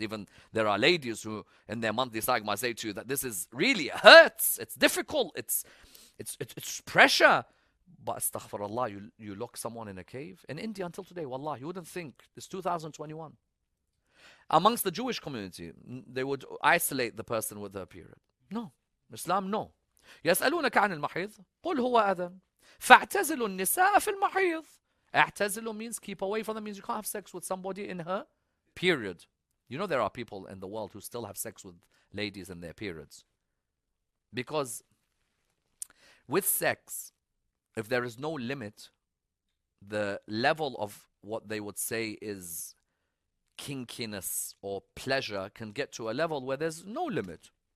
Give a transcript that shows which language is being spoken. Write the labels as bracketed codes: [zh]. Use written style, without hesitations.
[en] Even there are ladies who, in their monthly cycle, might say to you that this is really, it hurts, it's difficult, it's pressure. But astaghfirullah, you lock someone in a cave? In India until today, wallah, you wouldn't think. It's 2021. Amongst the Jewish community, they would isolate the person with their period. No. Islam, no. [ar] يسألونك عن المحيض قل هو أذن فاعتزلوا النساء في المحيض. اعتزلوا [en] means keep away from them, means you can't have sex with somebody in her period. You know there are people in the world who still have sex with ladies in their periods. Because with sex, if there is no limit, the level of what they would say is kinkiness or pleasure can get to a level where there's no limit.